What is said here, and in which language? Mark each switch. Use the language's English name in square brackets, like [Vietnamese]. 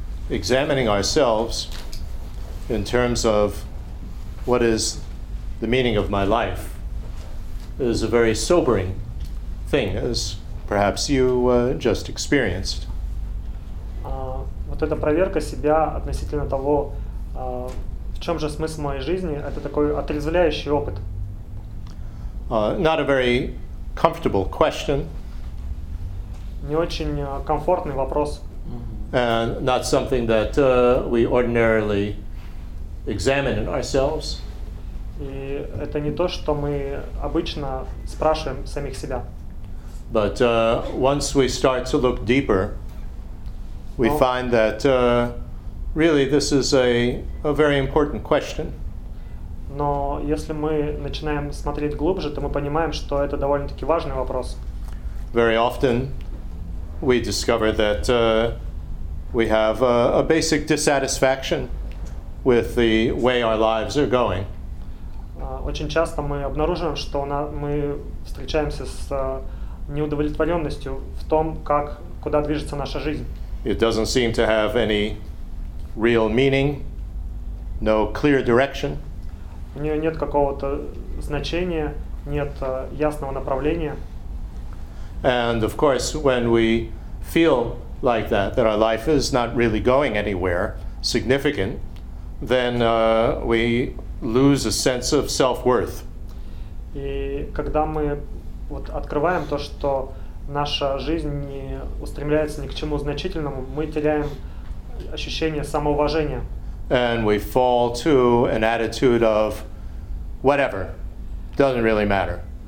[English] Examining ourselves in terms of what is the meaning of my life is a very sobering thing, as perhaps you just experienced. [Russian] Вот эта проверка себя относительно того, в чем же смысл моей жизни, это такой отрезвляющий опыт. [English] Not a very comfortable question. [Russian] Не очень комфортный вопрос. [English] And not something that we ordinarily examine in ourselves. [Russian] И это не то, что мы обычно спрашиваем самих себя. [English] But once we start to look deeper, we find that really this is a very important question. [Russian] Но если мы начинаем смотреть глубже, то мы понимаем, что это довольно-таки важный вопрос. [English] Very often we discover that we have a basic dissatisfaction with the way our lives are going. [Russian] Очень часто мы обнаруживаем, что мы встречаемся с неудовлетворенностью в том, как куда движется наша жизнь. [English] It doesn't seem to have any real meaning, no clear direction. [Russian] У нее нет какого-то значения, нет ясного направления. [English] And of course, when we feel like that our life is not really going anywhere significant, then we lose a sense of self-worth. [Russian] И когда мы вот открываем то, что наша жизнь не устремляется ни к чему значительному, мы теряем ощущение самоуважения. [English] And we fall to an attitude of whatever, doesn't really matter.